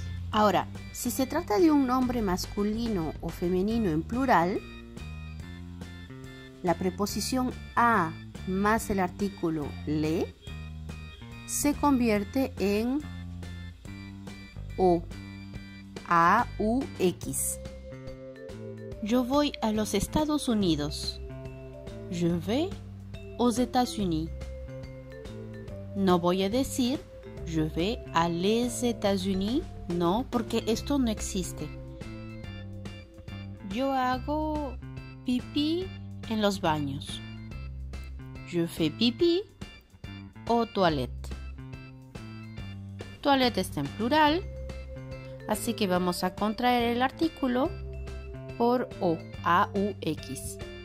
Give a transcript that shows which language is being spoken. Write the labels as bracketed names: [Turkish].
[Spanish] Ahora, si se trata de un nombre masculino o femenino en plural, la preposición a más el artículo le se convierte en o, a, u, x. Yo voy a los Estados Unidos. [French] Je vais aux États-Unis. [Spanish] No voy a decir [French] je vais à les États-Unis, [Spanish] no, porque esto no existe. Yo hago pipí en los baños. [French] Je fais pipí o toilette. [Spanish] Toilette está en plural, así que vamos a contraer el artículo por O, A, U, X.